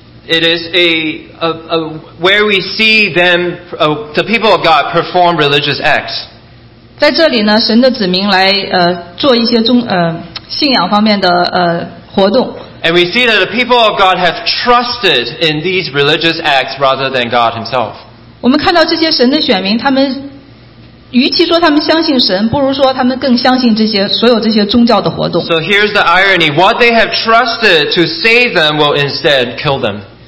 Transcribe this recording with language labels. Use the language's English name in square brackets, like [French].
[English] It is a where we see them, the people of God perform religious acts. [Chinese] 在这里呢，神的子民来做一些信仰方面的活动。 [English] And we see that the people of God have trusted in these religious acts rather than God Himself. [Chinese] 我们看到这些神的选民，他们与其说他们相信神，不如说他们更相信所有这些宗教的活动。 [English] So here's the irony: what they have trusted to save them will instead kill them.